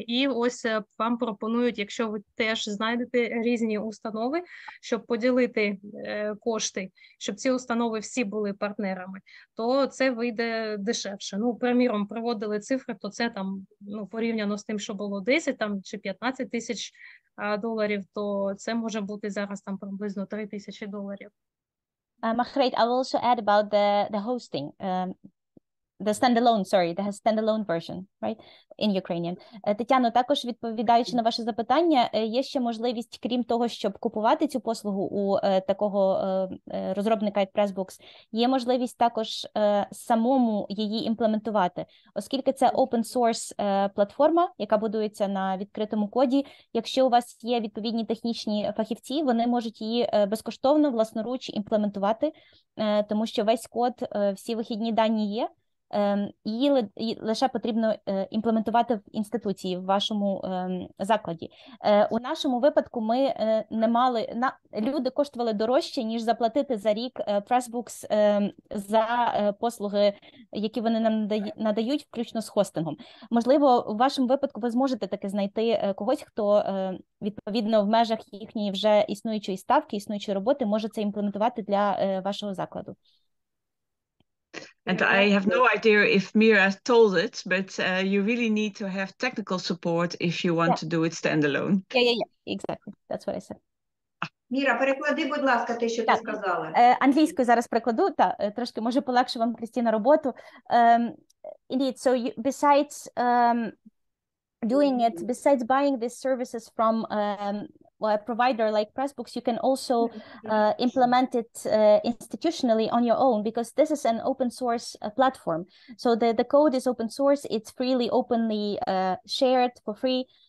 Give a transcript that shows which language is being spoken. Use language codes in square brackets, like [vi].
[uk] І ось вам пропонують, якщо ви теж знайдете різні установи, щоб поділити кошти, щоб ці установи всі були партнерами, то це вийде дешевше. Ну, приміром, приводили цифри, то це там, ну, порівняно з тим, що було 10 там, чи 15 тисяч доларів, то це може бути зараз там приблизно 3 тисячі доларів. [en] Margreet, I will also add about the hosting. The standalone version, right, in Ukrainian. [uk] Тетяно, також відповідаючи на ваше запитання, є ще можливість, крім того, щоб купувати цю послугу у такого розробника, як Pressbooks, є можливість також самому її імплементувати. Оскільки це open source платформа, яка будується на відкритому коді, якщо у вас є відповідні технічні фахівці, вони можуть її безкоштовно, власноруч імплементувати, тому що весь код, всі вихідні дані є, її лише потрібно імплементувати в інституції, в вашому закладі. У нашому випадку ми не мали, люди коштували дорожче, ніж заплатити за рік Pressbooks за послуги, які вони нам надають, включно з хостингом. Можливо, у вашому випадку ви зможете таки знайти когось, хто відповідно в межах їхньої вже існуючої ставки, існуючої роботи, може це імплементувати для вашого закладу. [en] And I have no idea if Mira told it, but you really need to have technical support if you want to do it standalone. Yeah, exactly. That's what I said. [uk] Міра, переклади, будь ласка, те, що ти сказала. Англійською зараз перекладу, та трошки може полегшу вам, Кристіна, роботу. [en] Indeed, so you, besides doing it, besides buying these services from a provider like Pressbooks, you can also implement it institutionally on your own, because this is an open source platform. So the code is open source, it's freely, openly shared for free.